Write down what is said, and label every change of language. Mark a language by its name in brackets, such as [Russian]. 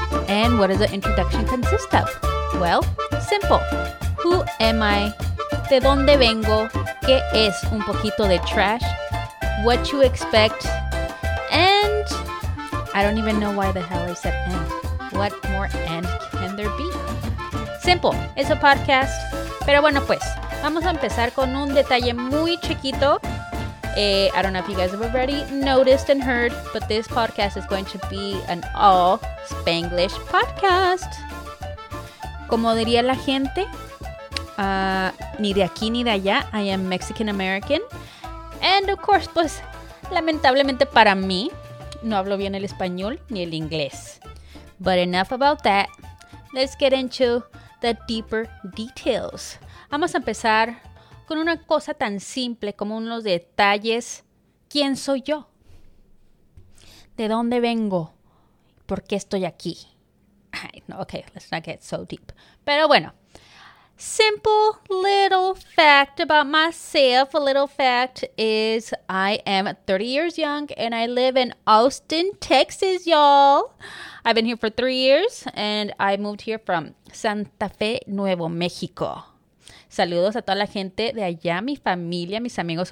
[English] And what does the introduction consist of? Well, simple. Who am I? [Spanish] ¿De dónde vengo? ¿Qué es un poquito de trash? [English] What you expect? And I don't even know why the hell I said and. What more and can there be? Simple. It's a podcast. [Spanish] Pero bueno, pues, vamos a empezar con un detalle muy chiquito. [English] I don't know if you guys have already noticed and heard, but this podcast is going to be an all Spanglish podcast. [Spanish] Como diría la gente, ni de aquí ni de allá, [English] I am Mexican-American. And of course, [Spanish] pues, lamentablemente para mí, no hablo bien el español ni el inglés. [English] But enough about that, let's get into the deeper details. [Spanish] Vamos a empezar con una cosa tan simple como unos detalles. ¿Quién soy yo? ¿De dónde vengo? ¿Por qué estoy aquí? [English] Ay, no, okay, let's not get so deep. [Spanish] Pero bueno, [English] simple little fact about myself. A little fact is I am 30 years young and I live in Austin, Texas, y'all. I've been here for 3 years and I moved here from Santa Fe, Nuevo México. [Spanish] Saludos a toda la gente de allá, mi familia, mis amigos.